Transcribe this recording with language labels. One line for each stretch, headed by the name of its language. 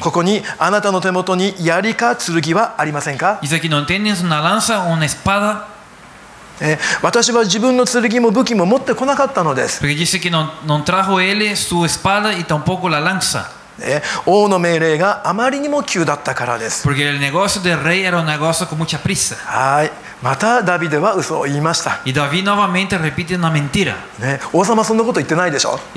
Japanese: ここにあなたの手元に槍か剣はありませんか？
Spanish: Y aquí no tienes una lanza o una espada?
Japanese: 私は自分の剣も武器も持ってこなかったのです。
Spanish: Porque dice que no trajo él su espada y tampoco la lanza.
Japanese: 王の命令があまりにも急だったからです。
Spanish: Porque el negocio del rey era un negocio con mucha prisa.
Japanese: はい。またダビデは嘘を言いました。
Spanish: Y David nuevamente repite una mentira.
Japanese: 王様はそんなこと言ってないでしょ。